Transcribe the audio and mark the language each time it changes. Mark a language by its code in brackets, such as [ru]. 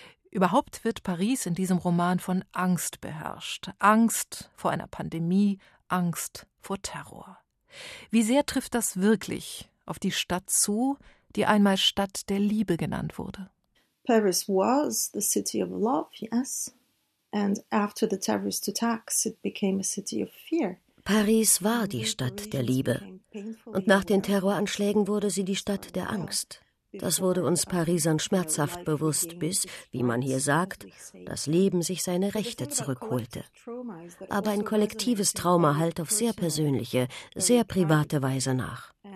[de] Überhaupt wird Paris in diesem Roman von Angst beherrscht. Angst vor einer Pandemie, Angst vor Terror. Wie sehr trifft das wirklich auf die Stadt zu, die einmal Stadt der Liebe genannt wurde? [en] Paris was the city of love, yes. And after the terrorist attacks, it became a city of fear. [de] Paris war die Stadt der Liebe. Und nach den Terroranschlägen wurde sie die Stadt der Angst. Das wurde uns Parisern schmerzhaft bewusst, bis, wie man hier sagt, das Leben sich seine Rechte zurückholte. Aber ein kollektives Trauma hallt auf sehr persönliche, sehr private Weise nach.